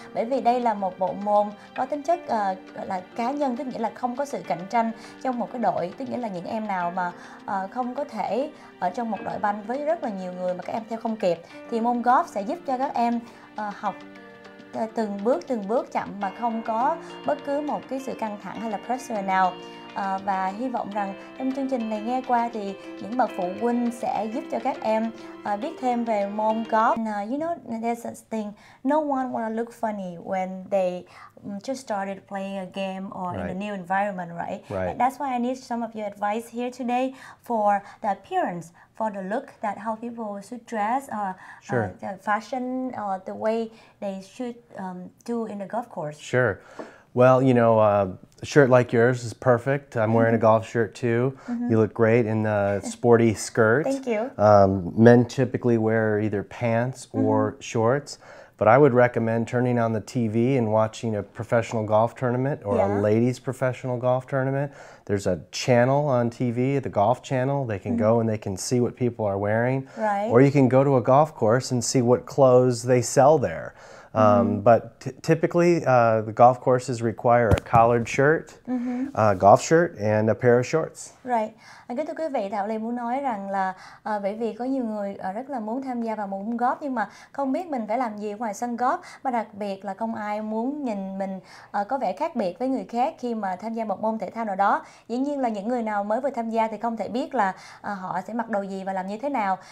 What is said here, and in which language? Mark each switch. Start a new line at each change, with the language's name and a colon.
Vietnamese: Bởi vì đây là một bộ môn có tính chất là cá nhân, tức nghĩa là không có sự cạnh tranh trong một cái đội, tức nghĩa là những em nào mà không có thể ở trong một đội banh với rất là nhiều người mà các em theo không kịp, thì môn golf sẽ giúp cho các em học từng bước chậm mà không có bất cứ một cái sự căng thẳng hay là pressure nào. Và hy vọng rằng trong chương trình này nghe qua thì những bậc phụ huynh sẽ giúp cho các em biết thêm về môn golf.
English: And, you know, there's this thing, no one want to look funny when they just started playing a game or right. in a new environment, right? Right. That's why I need some of your advice here today for the appearance, for the look, that how people should dress, or sure. The fashion, or the way they should do in the golf course. Sure. Well, you know, a shirt like yours is perfect. I'm wearing mm-hmm. a golf shirt too. Mm-hmm. You look great in the sporty skirt. Thank you. Men typically wear either pants mm-hmm. or shorts, but I would recommend turning on the TV and watching a professional golf tournament or yeah. a ladies' professional golf tournament. There's a channel on TV, the golf channel. They can mm-hmm. go and they can see what people are wearing. Right. Or you can go to a golf course and see what clothes they sell there. But typically, the golf courses require a collared shirt, mm-hmm. Golf shirt, and a pair of shorts. Right.
Vietnamese: Kính thưa quý vị, Thảo Lê muốn nói rằng là bởi vì có nhiều người rất là muốn tham gia vào môn golf nhưng mà không biết mình phải làm gì ngoài sân golf, mà đặc biệt là không ai muốn nhìn mình có vẻ khác biệt với người khác khi mà tham gia một môn thể thao nào đó. Dĩ nhiên là những người nào mới vừa tham gia thì không thể biết là họ sẽ mặc đồ gì và làm như thế nào.